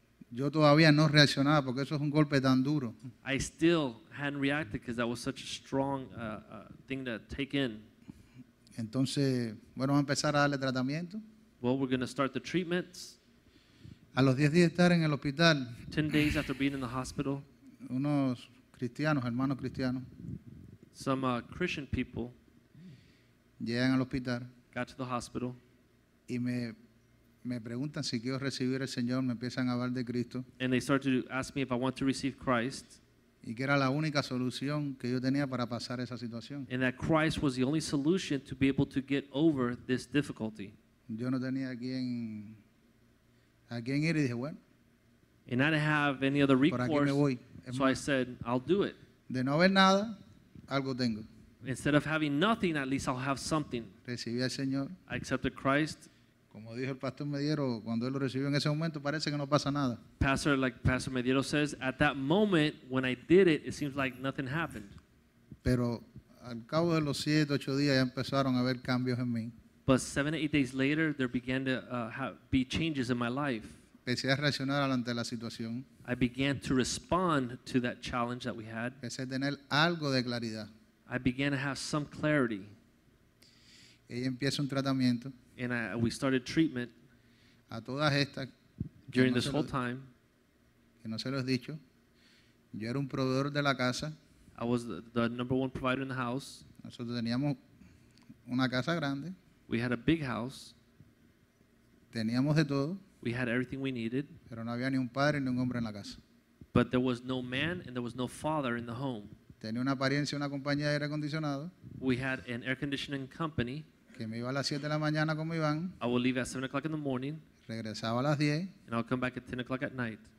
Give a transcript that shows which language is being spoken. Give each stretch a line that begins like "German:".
Spanish: Yo todavía no reaccionaba porque eso es un golpe tan duro.
English: I still hadn't reacted because that was such a strong thing to take in.
Spanish: Entonces, bueno, vamos a empezar a darle tratamiento.
English: Well, we're going to start the treatments.
Spanish: A los 10 días de estar en el hospital.
English: 10 days after being in the hospital.
Spanish: Unos cristianos, hermanos cristianos.
English: Some Christian people.
Spanish: Llegan al hospital.
English: Got to the hospital.
Spanish: Y me preguntan si quiero recibir al Señor, me empiezan a hablar de Cristo.
English: And they start to ask me if I want to receive Christ.
Spanish: Y que era la única solución que yo tenía para pasar esa situación.
English: And that Christ was the only solution to be able to get over this difficulty.
Spanish: Yo no tenía a quien ir y dije, bueno.
English: And I didn't have any other recourse.
Spanish: Por aquí me voy.
English: So I said, I'll do it.
Spanish: De no haber nada, algo tengo.
English: Instead of having nothing, at least I'll have something.
Spanish: Recibí al Señor.
English: I accepted Christ.
Spanish: Como dijo el pastor Mediero, cuando él lo recibió en ese momento, parece que no pasa nada.
English: Pastor, like Pastor Mediero says, at that moment, when I did it, it seems like nothing happened.
Spanish: Pero al cabo de los 7-8 días ya empezaron a ver cambios en mí.
English: But 7-8 days later, there began to be changes in my life.
Spanish: Empecé a reaccionar ante la situación.
English: I began to respond to that challenge that we had.
Spanish: Empecé a tener algo de claridad.
English: I began to have some clarity.
Spanish: Ella empieza un tratamiento.
English: And we started treatment.
Spanish: A todas estas.
English: During this whole time.
Spanish: Que no se lo he dicho. Yo era un proveedor de la casa.
English: I was the number one provider in the house.
Spanish: Nosotros teníamos una casa grande.
English: We had a big house.
Spanish: Teníamos de todo.
English: We had everything we needed.
Spanish: Pero no había ni un padre ni un hombre en la casa.
English: But there was no man and there was no father in the home.
Spanish: Tenía una apariencia, una compañía de aire acondicionado.
English: We had an air conditioning company.
Spanish: Que me iba a las 7 de la mañana con mi van.
English: I would leave at 7 o'clock in the morning.
Spanish: Regresaba a las 10.
English: And I would come back at 10 o'clock at night.